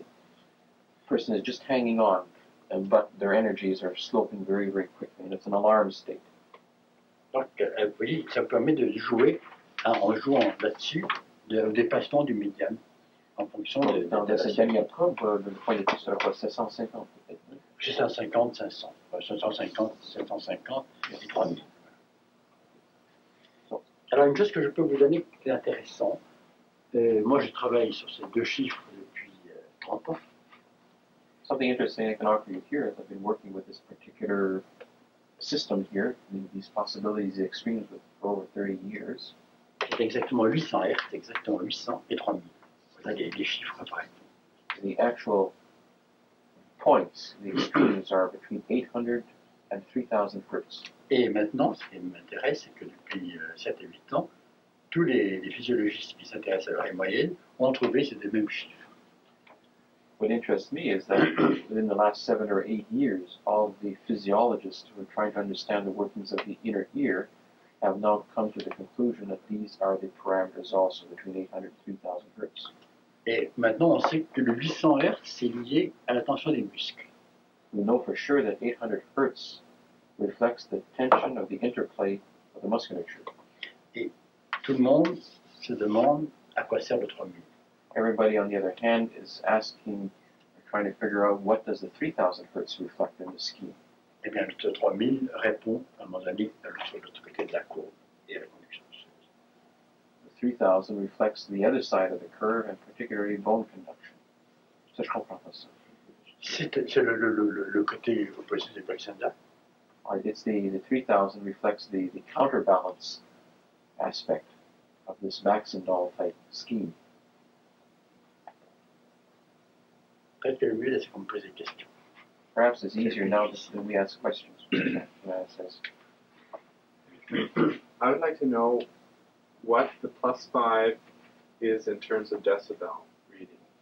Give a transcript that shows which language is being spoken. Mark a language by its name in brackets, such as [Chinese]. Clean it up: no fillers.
[English] The person is just hanging on, but their energies are sloping very, very quickly, and it's an alarm state. [French] Donc, vous voyez, ça permet de jouer hein, en jouant là-dessus, au dépassement du médium, en fonction de. Dans cette dernière courbe, le point de tout ça, 750 peut-être. 750, 500. 750, 750 et 3000. Alors, une chose que je peux vous donner qui est intéressante, moi je travaille sur ces deux chiffres depuis 30 ans. [English] Something interesting I can offer you here is I've been working with this particular system here, these possibilities and extremes for over 30 years. [French] C'est exactement 800 Hz, exactement 800 et 3000. Voilà les chiffres après. [English] The actual points, the extremes are between 800 and 3000 Hz. [French] Et maintenant, ce qui m'intéresse, c'est que depuis 7 et 8 ans, tous les physiologistes qui s'intéressent à l'oreille moyenne ont trouvé ces mêmes chiffres. [English] What interests me is that within the last 7 or 8 years, all the physiologists who are trying to understand the workings of the inner ear have now come to the conclusion that these are the parameters also between 800 and 3000 Hz. [French] Et maintenant, on sait que le 800 Hz, c'est lié à la tension des muscles. [English] We know for sure that 800 Hz reflects the tension of the interplay of the musculature. [French] Et tout le monde se demande à quoi sert le 3000. [English] Everybody, on the other hand, is asking, trying to figure out what does the 3000 Hz reflect in the scheme. [French] Eh bien, le 3000 répond à mon ami à l'autre côté de la courbe et à la condition osseuse. [English] The 3000 reflects the other side of the curve and particularly bone conduction. [French] Ça, je comprends pas ça. C'est le côté opposé des placentas. [English] It's the 3000 reflects the counterbalance aspect of this Baxendahl type scheme. [French] Peut-être que le mieux, c'est qu'on me pose des questions. [English] Perhaps it's easier now than we ask questions. I would like to know what the plus 5 is in terms of decibel reading.